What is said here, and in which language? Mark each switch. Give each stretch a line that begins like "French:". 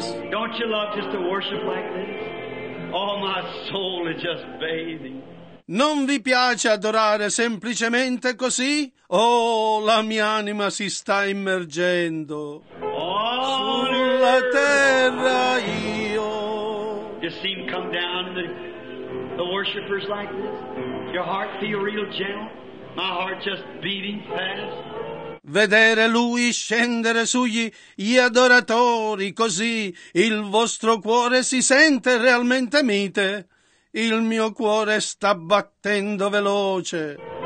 English: Don't you love just to worship like this? Oh, my soul is just bathing.
Italian: Non vi piace adorare semplicemente così? Oh, la mia anima si sta immergendo. Sulla terra io.
English: You see him come down, the worshipers like this? Your heart feel real gentle? My heart just beating fast?
Italian: Vedere lui scendere sugli gli adoratori così, il vostro cuore si sente realmente mite? Il mio cuore sta battendo veloce.